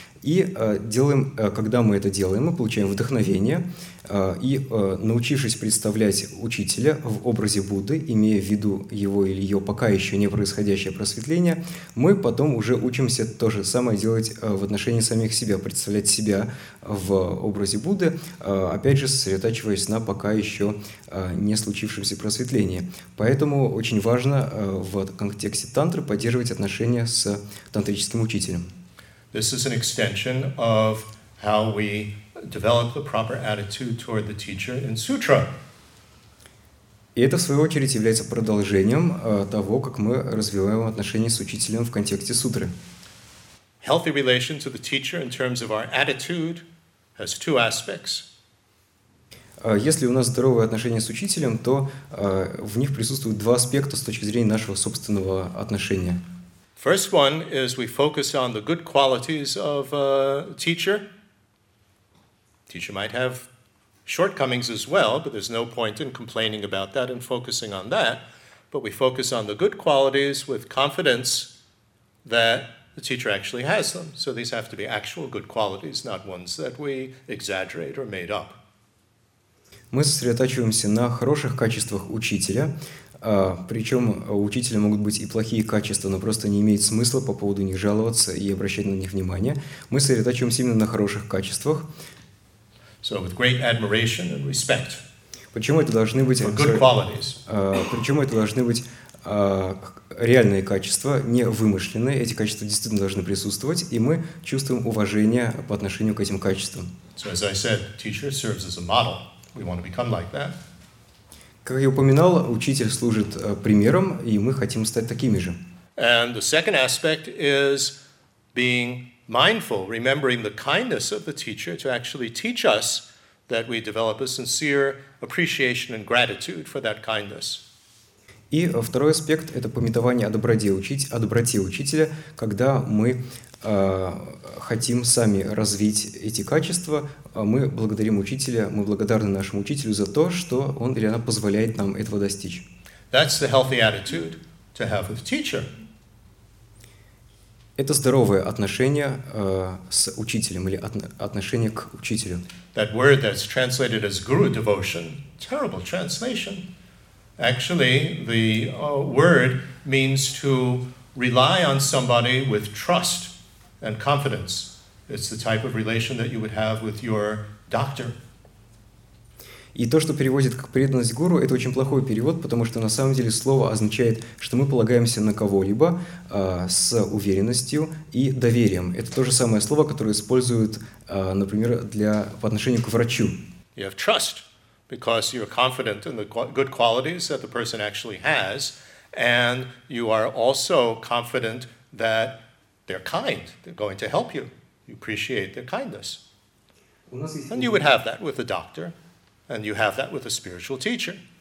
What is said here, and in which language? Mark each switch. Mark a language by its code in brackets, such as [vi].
[ru] И делаем, когда мы это делаем, мы получаем вдохновение, и, научившись представлять учителя в образе Будды, имея в виду его или ее пока еще не происходящее просветление, мы потом уже учимся то же самое делать в отношении самих себя, представлять себя в образе Будды, опять же, сосредотачиваясь на пока еще не случившемся просветлении. Поэтому очень важно в контексте тантры поддерживать отношения с тантрическим учителем. [en] This is an extension of how we develop the proper attitude toward the teacher in sutra. [ru] И это, в свою очередь, является продолжением того, как мы развиваем отношения с учителем в контексте сутры. [en] Healthy relation to the teacher in terms of our attitude has two aspects. [ru] Если у нас здоровые отношения с учителем, то в них присутствуют два аспекта с точки зрения нашего собственного отношения. [en] First one is we focus on the good qualities of a teacher. Teacher might have shortcomings as well, but there's no point in complaining about that and focusing on that. But we focus on the good qualities with confidence that the teacher actually has them. So these have to be actual good qualities, not ones that we exaggerate or made up. [ru] Мы сосредотачиваемся на хороших качествах учителя. Причем у учителя могут быть и плохие качества, но просто не имеет смысла по поводу них жаловаться и обращать на них внимание. Мы сосредотачиваемся именно на хороших качествах. [en] So with great admiration and respect. [ru] Причем это должны быть [en] for good qualities. [ru] Причем это должны быть реальные качества, не вымышленные, эти качества действительно должны присутствовать, и мы чувствуем уважение по отношению к этим качествам. [en] So, as I said, teacher serves as a model. We want to become like that. [ru] Как я упоминал, учитель служит примером, и мы хотим стать такими же. [en] And the second aspect is being mindful, remembering the kindness of the teacher to actually teach us that we develop a sincere appreciation and gratitude for that kindness. [ru] И второй аспект – это памятование о доброте, о доброте учителя, когда мы хотим сами развить эти качества, мы благодарим учителя, мы благодарны нашему учителю за то, что он или она позволяет нам этого достичь. [en] That's the healthy attitude to have with teacher. [ru] Это здоровое отношение с учителем или отношение к учителю. [en] That word that's translated as guru devotion, terrible translation. Actually, the word means to rely on somebody with trust and confidence. It's the type of relation that you would have with your doctor. [ru] И то, что переводит как преданность гуру, это очень плохой перевод, потому что на самом деле слово означает, что мы полагаемся на кого-либо с уверенностью и доверием. Это то же самое слово, которое используют, например, по отношению к врачу. [en] You have trust. Because you're confident in the good qualities that the person actually has, and you are also confident that they're kind, they're going to help you. You appreciate their kindness. And you would have that with a doctor, and you have that with a spiritual teacher.